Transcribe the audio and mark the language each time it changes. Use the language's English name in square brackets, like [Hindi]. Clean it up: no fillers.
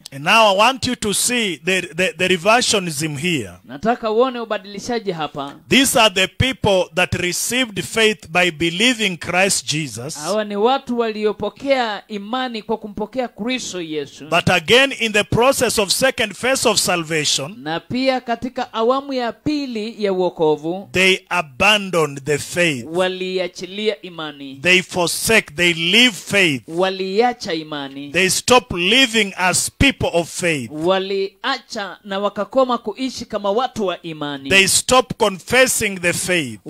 [English] And now I want you to see the reversionism here. [Swahili] Nataka uone ubadilishaji hapa. [English] These are the people that received faith by believing Christ Jesus. [Swahili] Hawa ni watu waliopokea imani kwa kumpokea Kristo Yesu. [English] But again, in the process of second phase of salvation, [Swahili] na pia katika awamu ya pili ya wokovu, [English] they abandoned the faith. [Swahili] Waliachilia imani. [English] They forsake, they leave faith. [Swahili] Waliacha imani. [English] They stop living as people. People of faith. [Swahili] Waliacha na wakakoma kuishi kama watu wa imani. [English] They stop confessing the faith.